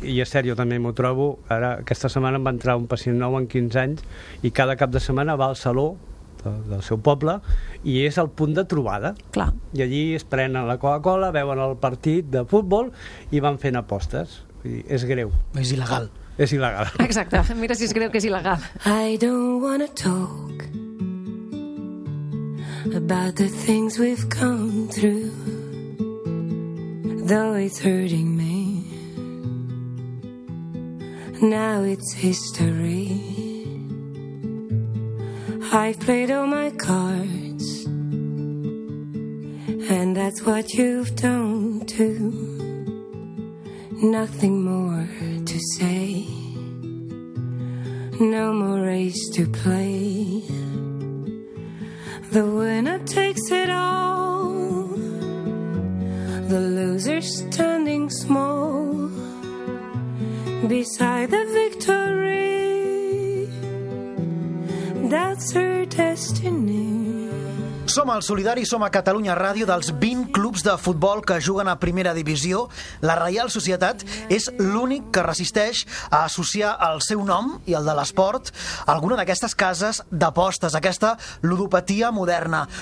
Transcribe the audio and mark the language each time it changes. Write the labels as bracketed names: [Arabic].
[Catalan] I a sèrio també m'ho trobo, ara aquesta setmana em va entrar un pacient nou amb 15 anys i cada cap de setmana va al saló del seu poble i és el punt de trobada. Clar. I allí es prenen la Coca-Cola, veuen el partit de futbol i van fent apostes. Vull dir, és greu. És il·legal. És il·legal. Exacte. Mira si és greu que és il·legal. [English] I don't wanna talk about the things we've come through, though it's hurting me. Now it's history. I've played all my cards, and that's what you've done too. Nothing more to say, no more race to play. The winner takes it all, the loser standing small beside the victory. That's her destiny. [Catalan] Som al Solidari, som a Catalunya Ràdio, dels 20 clubs de futbol que juguen a primera divisió. La Reial Societat és l'únic que resisteix a associar el seu nom i el de l'esport a alguna d'aquestes cases d'apostes, aquesta ludopatia moderna.